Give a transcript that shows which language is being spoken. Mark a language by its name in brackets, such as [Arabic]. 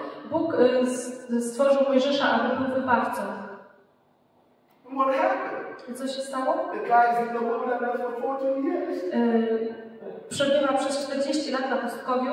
[Polish] Bóg stworzył Mojżesza, aby był wybawcą. [English] What happened? [Polish] Co się stało? [English] The guy is in the wilderness for 40 years. [Polish] Przebywa przez 40 lat na pustkowiu.